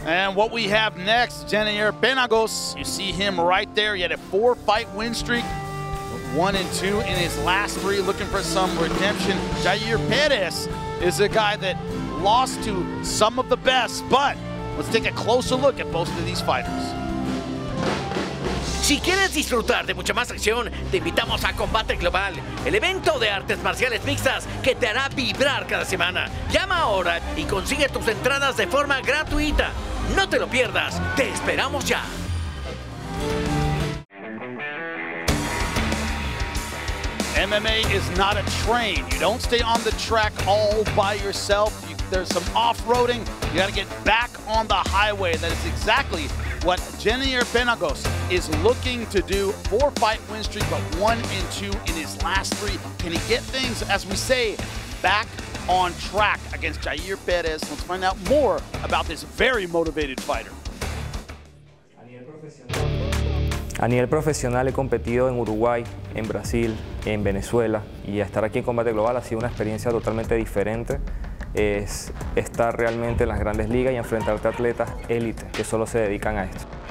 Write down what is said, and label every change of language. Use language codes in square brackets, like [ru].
[en] And what we have next, Genier Penagos. You see him right there. He had a 4-fight win streak. 1-2 in his last three, looking for some redemption. Jair Perez is a guy that lost to some of the best, but let's take a closer look at both of these fighters. [es] Si quieres disfrutar de mucha más acción, te invitamos a Combate Global, el evento de artes marciales mixtas que te hará vibrar cada semana. Llama ahora y consigue tus entradas de forma gratuita. No te lo pierdas, te esperamos ya. [en] MMA is not a train. You don't stay on the track all by yourself. There's some off-roading. You gotta get back on the highway. That is exactly what Genier Penagos is looking to do. 4-fight win streak, but 1-2 in his last three. Can he get things, as we say, back on track against Jair Perez? Let's find out more about this very motivated fighter. [es] A nivel profesional he competido en Uruguay, en Brasil, en Venezuela, y estar aquí en Combate Global ha sido una experiencia totalmente diferente. Es estar realmente en las grandes ligas y enfrentarte a atletas élite que solo se dedican a esto.